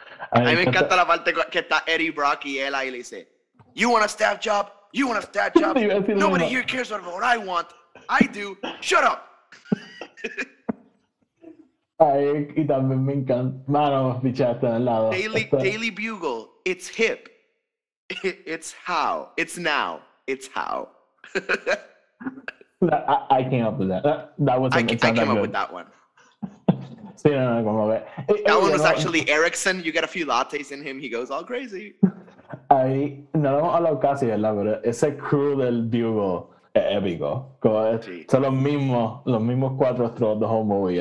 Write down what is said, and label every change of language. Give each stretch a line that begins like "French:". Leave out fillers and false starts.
Spanish: A mí me encanta la parte que está Eddie Brock y él ahí le dice,
English: You want a staff job? Nobody here cares about what I want. I do. Shut up.
Spanish: Ay, y también me encanta. Mano, fichaste al lado.
English: Daily Bugle, it's hip. It's how. It's now. It's how. I came up with that. I came up with that one.
Spanish: Sí, no, como ve.
English: That one was actually Erickson. You get a few lattes in him, he goes all crazy.
Spanish: Ahí, no lo hemos hablado casi, ¿verdad? Pero ese crew del Bugle es épico. Son los mismos cuatro
English: throughout the whole movie.